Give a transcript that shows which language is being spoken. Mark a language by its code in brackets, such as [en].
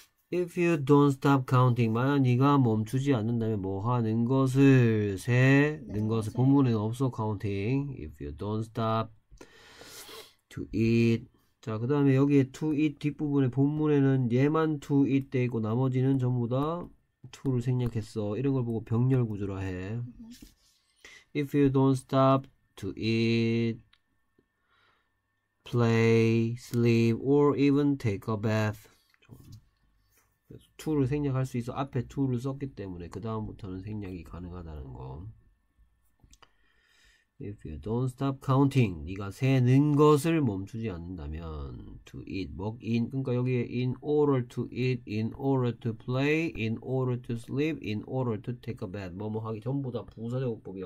[en] If you don't stop counting, [ko] 만약 네가 멈추지 않는다면 뭐 하는 것을 세? 는 는 것을 본문에는 없어 [en] counting. If you don't stop to eat. [ko] 자, 그 다음에 여기에 to eat 뒷부분에 본문에는 얘만 to eat 돼 있고 나머지는 전부 다 to를 생략했어. 이런 걸 보고 병렬 구조라 해. [en] If you don't stop to eat, play, sleep, or even take a bath. [ko] 2를 생략할 수 있어. 앞에 2를 썼기 때문에 그 다음부터는 생략이 가능하다는 거. [en] If you don't stop counting, [ko] 네가 세는 것을 멈추지 않는다면 to eat, 먹인, 그러니까 여기에 [en] in order to eat, in order to play, in order to sleep, in order to take a bath, [ko] 뭐뭐 하기 전부 다 부사적 복이야.